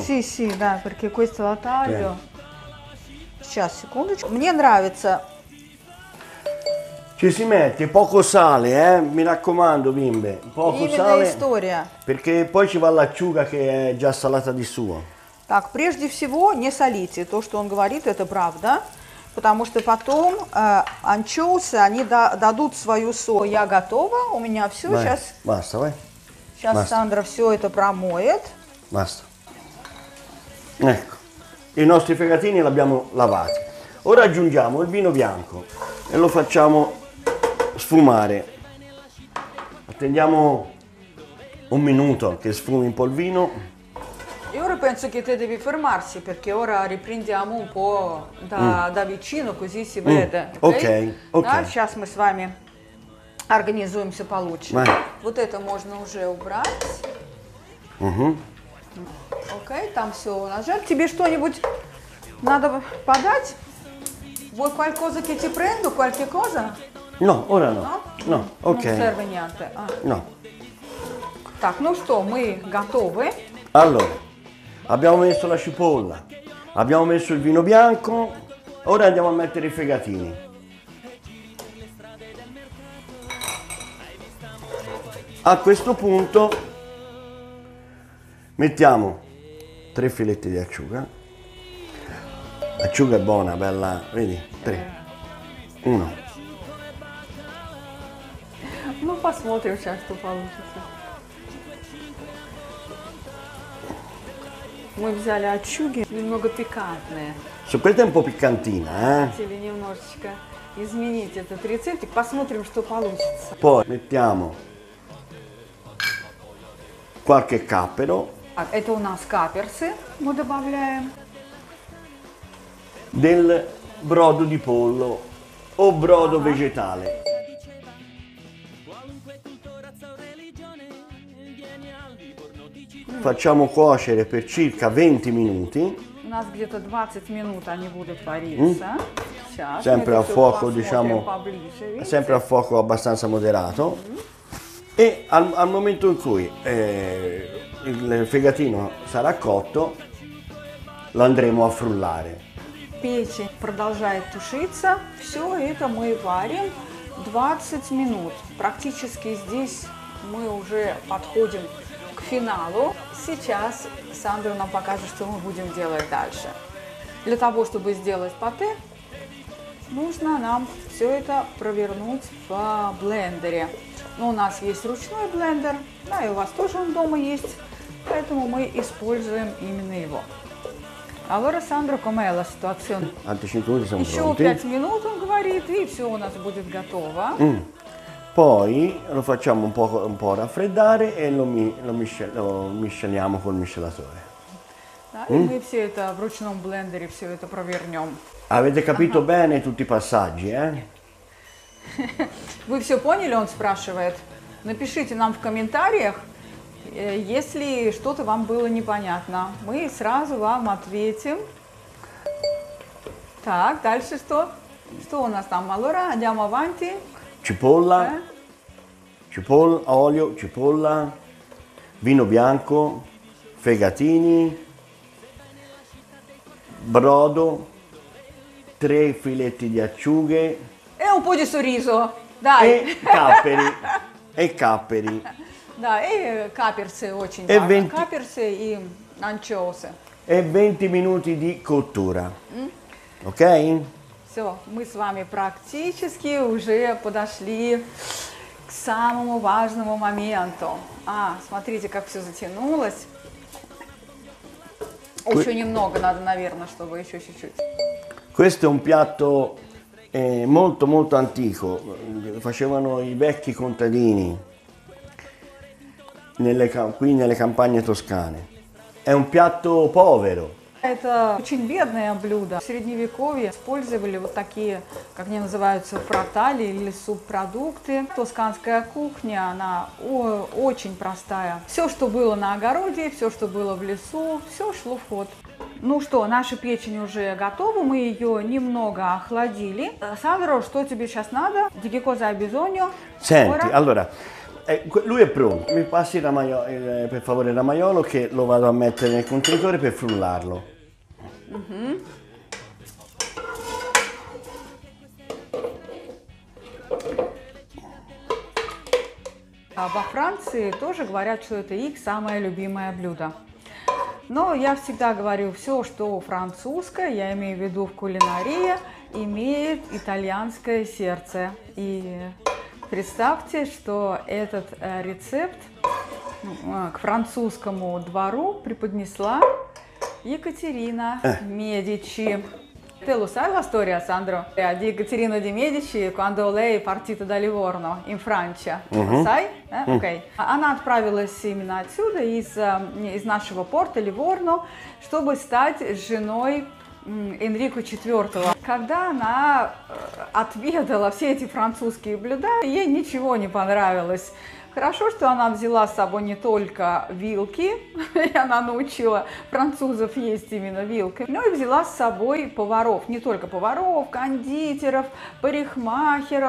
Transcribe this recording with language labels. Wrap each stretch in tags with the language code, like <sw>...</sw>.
<it>Sì, да, perché questo lo taglio.</it> <ru>Сейчас, секундочку. Мне нравится.</ru> <it>Ci si mette poco sale, mi raccomando, bimbe. Poco sale.</it> <ru>История.</ru> <it>Perché poi ci va l'acciuga che è già salata di suo.</it> <ru>Так, прежде всего, не солите. То, что он говорит, это правда. Потому что потом анчоусы, они дадут свою соль. Я готова, у меня все</ru> <it>vai,</it> <ru>сейчас. Баста, давай. Сейчас</ru> <it>basta.</it> <ru>Сандра все это промоет. Баста.</ru> <it>Ecco, i nostri fegatini li abbiamo lavati. Ora aggiungiamo il vino bianco e lo facciamo sfumare. Attendiamo un minuto che sfumi un po' il vino. E ora penso che te devi fermarsi, perché ora riprendiamo un po' da vicino, così si vede. Ok.</it> <ru>Да, сейчас мы с вами организуемся получше.</ru> <it>Vai.</it> <ru>Вот это можно уже убрать. Окей, там все у нас. Жаль, тебе что-нибудь надо подать?</ru> <it>Vuoi qualcosa che ti prendo? Qualche cosa? No, ora no. No, ok. Non serve niente. No.</it> <ru>Так, ну что, мы готовы.</ru> <it>Allora. Abbiamo messo la cipolla, abbiamo messo il vino bianco, ora andiamo a mettere i fegatini. A questo punto mettiamo tre filetti di acciuga. L'acciuga è buona, bella, vedi? Tre. Uno. Non posso molto il cesto, Paolo.</it> <ru>Мы взяли ачуги, немного пикантные. Суперта по пикантина, а? Хотели немножечко изменить этот рецептик. Посмотрим, что получится.</ru> <it>Poi mettiamo qualche cappero.</it> <ru>Это у нас каперсы мы добавляем.</ru> <it>Del brodo di pollo o brodo vegetale. Facciamo cuocere per circa 20 minuti.</it> <ru>У нас где-то 20 минут они будут вариться.</ru> <it>Sempre a fuoco, diciamo, sempre a fuoco abbastanza moderato. E al momento in cui il fegatino sarà cotto, lo andremo a frullare.</it> <ru>Печь продолжает тушиться. Все это мы варим 20 минут. Практически здесь мы уже подходим к финалу. Сейчас Сандро нам покажет, что мы будем делать дальше. Для того, чтобы сделать пате, нужно нам все это провернуть в блендере. Но у нас есть ручной блендер, да, и у вас тоже он дома есть, поэтому мы используем именно его.</ru> <it>Allora, Сандро, come è la situazione?</it> <ru>Еще 5 минут, он говорит, и все у нас будет готово.</ru> <it>Poi lo facciamo un po' raffreddare e lo misceliamo col miscelatore.</it> <ru>Noi все это в ручном блендере все это провернем.</ru> <it>Avete capito bene tutti i passaggi,</it> <ru>Вы все поняли, он спрашивает. Напишите нам в комментариях, если что-то вам было непонятно. Мы сразу вам ответим. Так, дальше что? Что у нас там?</ru> <it>Allora, andiamo avanti. Cipolla, cipolla, olio, cipolla, vino bianco, fegatini, brodo, tre filetti di acciughe. E un po' di sorriso, dai! E capperi. Dai, e caperse, molto importante, caperse e anciose. E 20 minuti di cottura, ok?</it> <ru>Все, мы с вами практически уже подошли к самому важному моменту. А, смотрите, как все затянулось. Еще немного надо, наверное, чтобы еще чуть-чуть.</ru> <it>Questo è un piatto molto molto antico. Facevano i vecchi contadini nelle qui nelle campagne toscane. È un piatto povero.</it> <ru>Это очень бедное блюдо. В средневековье использовали вот такие, как они называются, фраталии или субпродукты. Тосканская кухня, она очень простая. Все, что было на огороде, все, что было в лесу, все шло в ход. Ну что, наша печень уже готова, мы ее немного охладили. Сандро, что тебе сейчас надо?</ru> <it>Ди коза и бизонио. Senti, allora, lui è pronto. Mi passi la maiolo, per favore, la maiolo, che lo vado a mettere nel contenitore per frullarlo.</it> <ru>А во Франции тоже говорят, что это их самое любимое блюдо. Но я всегда говорю, все, что французское, я имею в виду в кулинарии, имеет итальянское сердце. И представьте, что этот рецепт к французскому двору преподнесла Екатерина Медичи.</ru> <it>Te lo sai la storia, Sandro? Di Екатерина де Медичи, quando lei partita da Livorno, in Francia. Sai? Okay.</it> <ru>Она отправилась именно отсюда, из нашего порта Ливорно, чтобы стать женой Энрико IV. Когда она отведала все эти французские блюда, ей ничего не понравилось. Хорошо, что она взяла с собой не только вилки, и она научила французов есть именно вилкой, но и взяла с собой поваров, не только поваров, кондитеров, парикмахеров.</ru>